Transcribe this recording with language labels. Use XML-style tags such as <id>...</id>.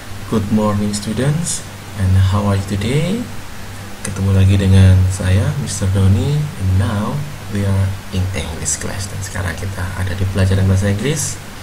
<en>Good morning students, and how are you today?</en> <id>Ketemu lagi dengan saya, Mr.</id> <en>Doni, and now we are in English class.</en> <id>Dan sekarang kita ada di pelajaran bahasa Inggris.</id>